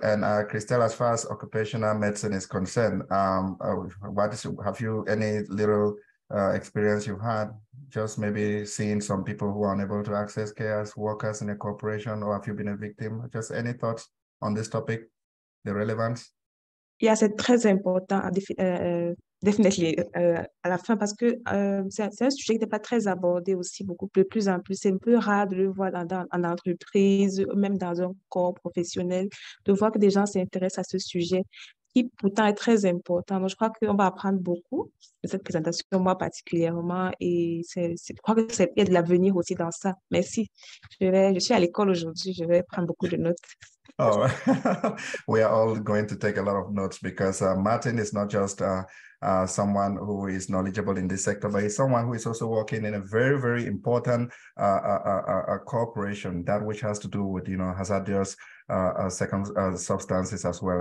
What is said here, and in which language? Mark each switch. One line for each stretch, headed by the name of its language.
English: And Christelle, as far as occupational medicine is concerned, have you any little experience you've had? Just maybe seeing some people who are unable to access care as workers in a corporation, or have you been a victim? Just any thoughts on this topic, the relevance?
French: Yeah, c'est très important,
English: definitely,
French: à la fin, parce que c'est un sujet qui n'est pas très abordé aussi, beaucoup de plus en plus. C'est un peu rare de le voir en entreprise, même dans un corps professionnel, de voir que des gens s'intéressent à ce sujet, qui pourtant est très important. Donc, je crois qu'on va apprendre beaucoup de cette présentation, moi particulièrement, et je crois que c'est peut-être l'avenir aussi dans ça. Merci. Je suis à l'école aujourd'hui, je vais prendre beaucoup de notes.
English: Oh, we are all going to take a lot of notes because Martin is not just someone who is knowledgeable in this sector, but he's someone who is also working in a very, very important corporation, that which has to do with, you know, hazardous substances as well.